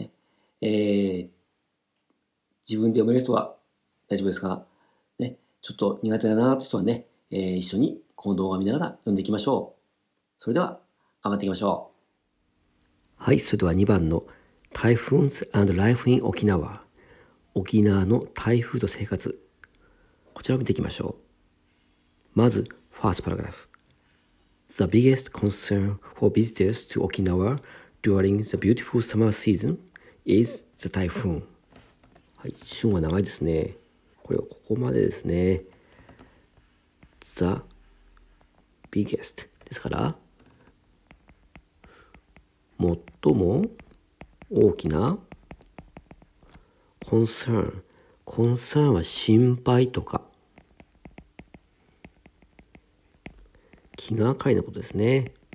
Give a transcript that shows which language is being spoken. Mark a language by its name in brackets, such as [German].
[Japanese] ね、自分で読める人は大丈夫ですが、ね、ちょっと苦手だなという人はね、一緒にこの動画を見ながら読んでいきましょう。それでは、頑張っていきましょう。はい、それでは2番の [English] Typhoons and Life in Okinawa、 [Japanese] 沖縄の台風と生活、こちらを見ていきましょう。まず、ファーストパラグラフ。 [English] The biggest concern for visitors to Okinawa during the beautiful summer season is the typhoon。 [Japanese] はい、旬は長いですね。これはここまでですね。 [English] The biggest [Japanese] ですから、最も大きなコンサーン、コンサーンは心配とか気がかりなことですね。